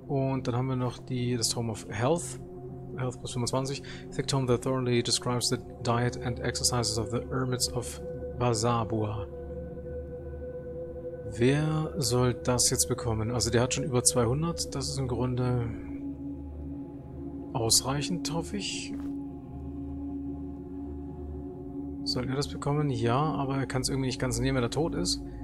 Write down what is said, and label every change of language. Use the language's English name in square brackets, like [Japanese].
[German] Und dann haben wir noch das Tome of Health. [English] Health plus 25. Thick Tome that thoroughly describes the diet and exercises of the Hermits of Basabua. [German] Wer soll das jetzt bekommen? Also der hat schon über 200. Das ist im Grunde ausreichend, hoffe ich. Soll er das bekommen? Ja, aber er kann es irgendwie nicht ganz nehmen, wenn er tot ist.